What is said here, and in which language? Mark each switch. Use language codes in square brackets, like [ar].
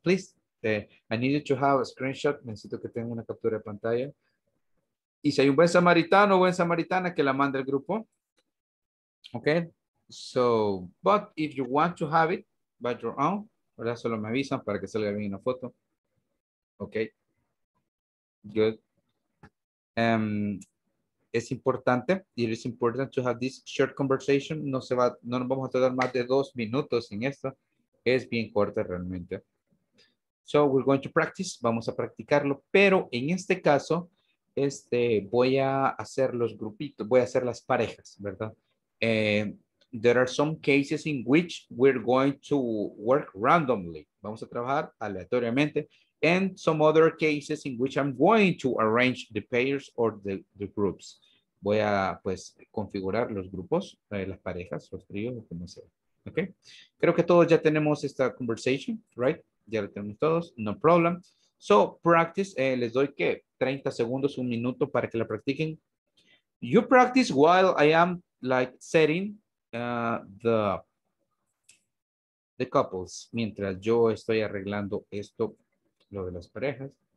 [en] Please, I need you to have a screenshot. [es] Necesito que tenga una captura de pantalla. Y si hay un buen samaritano o buena samaritana, que la mande el grupo. [en] Okay. So, but if you want to have it by your own, [es] ¿verdad? Solo me avisan para que salga bien la foto. [en] Ok. Good. [es] Es importante, [en] it is important to have this short conversation. [es] No se va, no nos vamos a tardar más de 2 minutos en esto. Es bien corta realmente. [en] So we're going to practice, [es] vamos a practicarlo, pero en este caso, voy a hacer los grupitos, voy a hacer las parejas, ¿verdad? [en] There are some cases in which we're going to work randomly. [es] Vamos a trabajar aleatoriamente. [en] And some other cases in which I'm going to arrange the pairs or the groups. [es] Voy a, pues, configurar los grupos, las parejas, los tríos, o como sea. Okay. Creo que todos ya tenemos esta conversation, right? Ya la tenemos todos, [en] no problem. So, practice, [es] les doy, ¿qué? 30 segundos, un minuto para que la practiquen. [en] You practice while I am, like, setting the couples. [es] Mientras yo estoy arreglando esto, lo de las parejas.